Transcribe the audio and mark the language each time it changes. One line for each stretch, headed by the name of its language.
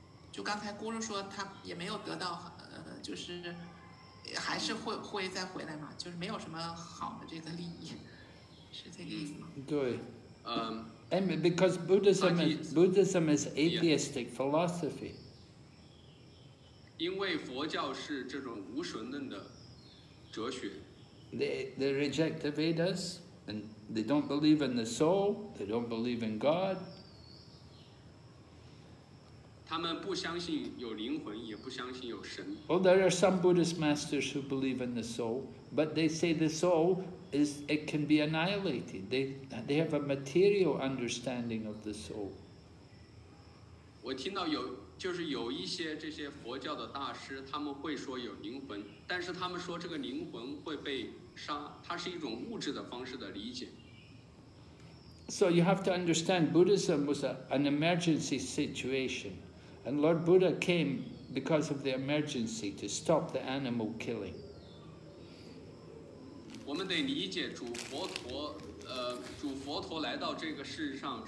Chinese: 就刚才咕噜说他也没有得到就是还是会再回来嘛，就是没有什么好的这个利益，是这个意思吗？对。
English: Because Buddhism is atheistic philosophy.
Chinese: 因为佛教是这种无神论的哲学。
English: They reject the Vedas, and they don't believe in the soul, they don't believe in God.
Chinese: 他们不相信有灵魂，也不相信有神。
English: Well, there are some Buddhist masters who believe in the soul, but they say the soul it can be annihilated. They have a material understanding of the soul.
Chinese: 我听到有，就是有一些这些佛教的大师，他们会说有灵魂，但是他们说这个灵魂会被杀，它是一种物质的方式的理解。
English: So you have to understand Buddhism was an emergency situation. And Lord Buddha came because of the emergency to stop the animal killing. We must understand that Lord Buddha came to this world to save animals.